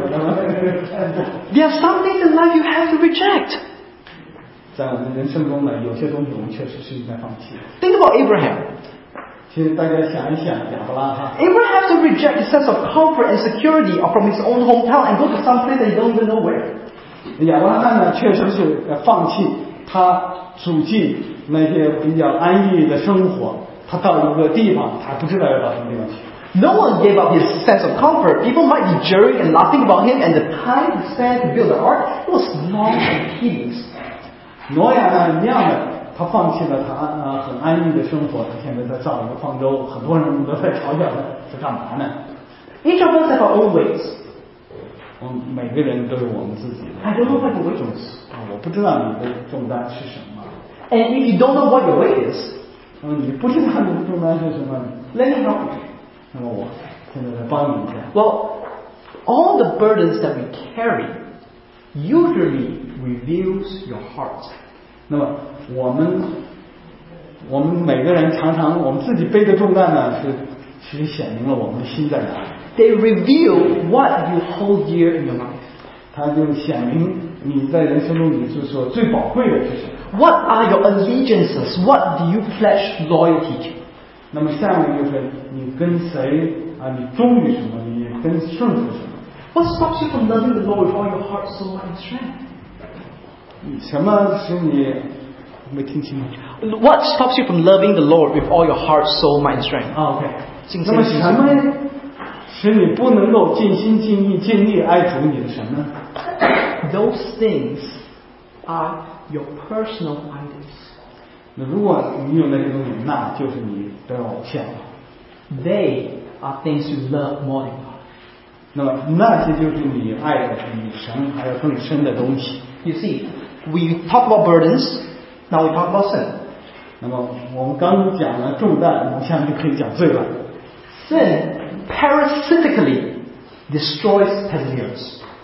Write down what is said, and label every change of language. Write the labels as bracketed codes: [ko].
[en] There are some things in life you have to reject. [zh] 在我们人生中呢，有些东西我们确实是应该放弃。 [en] Think about Abraham. [zh] 其实大家想一想，亚伯拉罕。 [en] Abraham had to reject the sense of comfort and security from his own hometown and go to some place that he don't even know where. [zh] 亚伯拉罕呢，确实是放弃他祖籍那些比较安逸的生活，他到一个地方，他不知道要到什么地方去。 [en] No one gave up his sense of comfort. People might be jeering and laughing about him, and the time he spent to build the ark was long and tedious. [zh] 挪亚呢，一样的。他放弃了他很安逸的生活，他现在在造一个方舟，很多人都在嘲笑他，在干嘛呢？ [en] Each of us have our own ways. [zh] 我们每个人都有我们自己的。 [en] I don't know what your weight is. [zh] 我不知道你的重担是什么。 [en] And if you don't know what your weight is, [zh] 你不知道你的重担是什么 [en] ，Let me help you. [zh] 那么我现在来帮你一下。 [en] Well, all the burdens that we carry usually reveals your heart. [zh] 那么我们每个人常常我们自己背的重担呢，是其实显明了我们的心在哪。 [en] They reveal what you hold dear in your life. [zh] 它就显明你在人生中你是说最宝贵的是什么。 [en] What are your allegiances? What do you pledge loyalty to? [zh] 那么下面就是你跟谁啊？你忠于什么？你跟顺服什么 [en] ？What stops you from loving the Lord with all your heart, soul, and strength? [zh] 什么使你没听清楚 [en] ？What stops you from loving the Lord with all your heart, soul, mind, strength? [zh] OK， 那么什么使你不能够尽心尽意尽力爱主你的什么 [en] ？Those things are your personal idols. [zh] 那如果你有那些东西，那就是你的偶像。 [en] They are things you love more than God. [zh] 那么那些就是你爱的比神还要更深的东西。 [en] You see. We talk about burdens. Now we talk about sin. [zh] 那么我们刚讲了重担，我们下面就可以讲罪了。 [en] Sin parasitically destroys perseverance.